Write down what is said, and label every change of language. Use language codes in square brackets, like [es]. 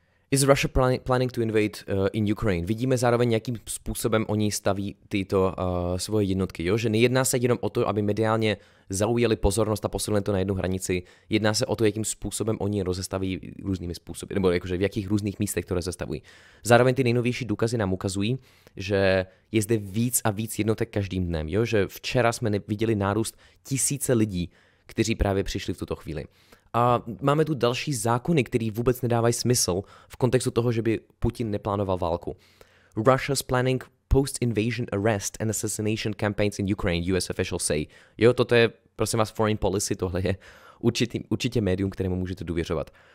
[en] Is Russia planning to invade in Ukraine? [cs] Vidíme zároveň, jakým způsobem oni staví tyto svoje jednotky. Jo? Že nejedná se jenom o to, aby mediálně zaujali pozornost a posunuli to na jednu hranici. Jedná se o to, jakým způsobem oni rozestaví různými způsoby. Nebo jakože v jakých různých místech to rozestavují. Zároveň ty nejnovější důkazy nám ukazují, že je zde víc a víc jednotek každým dnem. Jo? Že včera jsme viděli nárůst tisíce lidí, kteří právě přišli v tuto chvíli. A máme tu další zákony, které vůbec nedávají smysl v kontextu toho, že by Putin neplánoval válku. [en] Russia's planning post-invasion arrest and assassination campaigns in Ukraine, US officials say. [cs] Jo, toto je, prosím vás, foreign policy, tohle je určitě médium, kterému můžete důvěřovat.